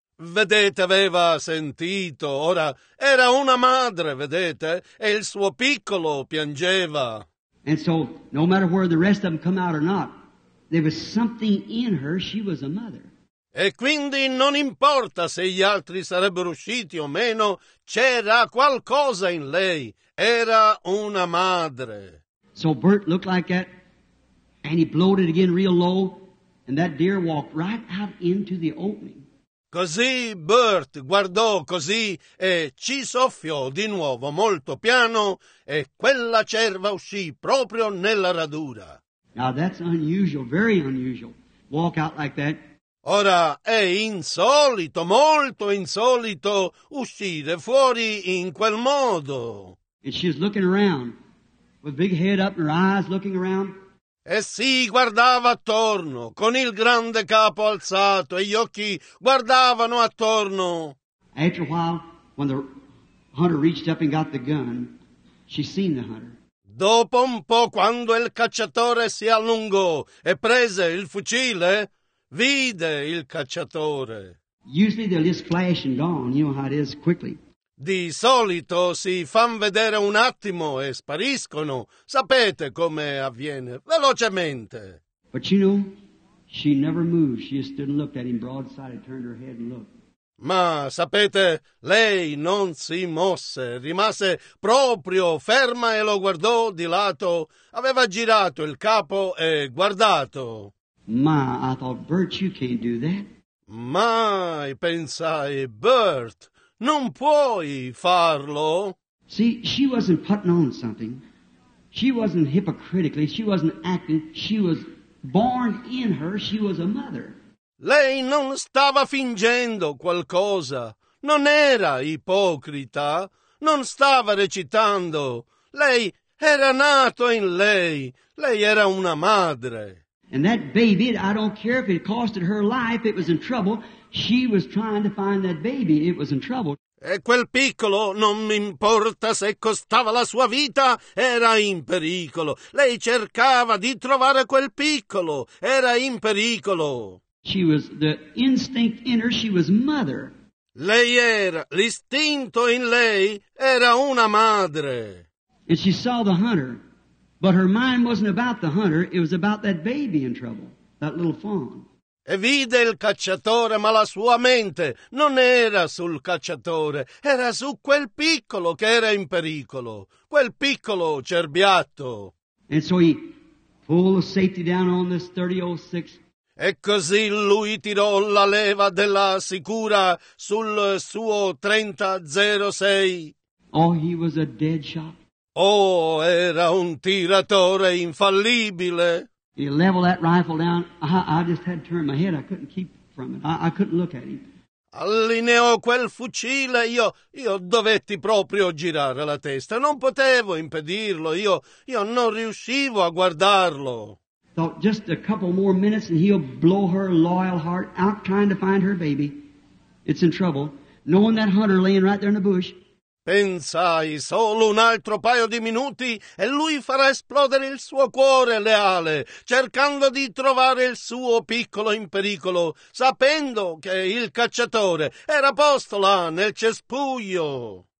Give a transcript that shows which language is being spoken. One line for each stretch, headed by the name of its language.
Italian: Vedete, aveva sentito. Ora, era una madre, vedete, e il suo piccolo piangeva.
English: And so, no matter where the rest of them come out or not, there was something in her, she was a mother.
Italian: E quindi non importa se gli altri sarebbero usciti o meno, c'era qualcosa in lei. Era una madre.
English: So Bert looked like that, and he blowed it again real low, and that deer walked right out into the opening.
Italian: Così Bert guardò così, e ci soffiò di nuovo molto piano, e quella cerva uscì proprio nella radura.
English: Now that's unusual, very unusual. Walk out like that.
Italian: Ora, è insolito, molto insolito, uscire fuori in quel modo.
English: And she was looking around, with big head up and her eyes looking around.
Italian: E si guardava attorno, con il grande capo alzato, e gli occhi guardavano attorno.
English: After a while, when the hunter reached up and got the gun, she seen the hunter.
Italian: Dopo un po', quando il cacciatore si allungò e prese il fucile, vide il cacciatore.
English: Usually they'll just flash and gone, you know how it is, quickly.
Italian: Di solito si fan vedere un attimo e spariscono. Sapete come avviene? Velocemente.
English: But you know, she never moved. She just stood and looked at him broadside and turned her head and looked.
Italian: Ma sapete, lei non si mosse, rimase proprio ferma e lo guardò di lato. Aveva girato il capo e guardato.
English: Ma, I thought, Bert, you can't do that.
Italian: Mai, pensai, Bert, non puoi farlo.
English: See, she wasn't putting on something. She wasn't hypocritically, she wasn't acting. She was born in her, she was a mother.
Italian: Lei non stava fingendo qualcosa, non era ipocrita, non stava recitando. Lei era nato in lei, lei era una madre.
English: And that baby, I don't care if it costed her life, it was in trouble. She was trying to find that baby, it was in trouble.
Italian: E quel piccolo, non mi importa se costava la sua vita, era in pericolo. Lei cercava di trovare quel piccolo, era in pericolo.
English: She was the instinct in her, she was mother.
Italian: Lei era, l'istinto in lei era una madre.
English: And she saw the hunter, but her mind wasn't about the hunter, it was about that baby in trouble, that little fawn.
Italian: E vide il cacciatore, ma la sua mente non era sul cacciatore, era su quel piccolo che era in pericolo, quel piccolo cerbiatto.
English: And so he pulled the safety down on this 30-06.
Italian: E così lui tirò la leva della sicura sul suo 30-06.
English: Oh, he was a dead shot.
Italian: Oh, era un tiratore infallibile.
English: He leveled that rifle down. I just had to turn my head. I couldn't keep from it. I couldn't look at him.
Italian: Allineò quel fucile. Io dovetti proprio girare la testa. Non potevo impedirlo. Io non riuscivo a guardarlo.
English: Thought just a couple more minutes and he'll blow her loyal heart out trying to find her baby. It's in trouble. Knowing that hunter laying right there in the bush.
Italian: Pensai, solo un altro paio di minuti e lui farà esplodere il suo cuore leale, cercando di trovare il suo piccolo in pericolo, sapendo che il cacciatore era posto là nel cespuglio.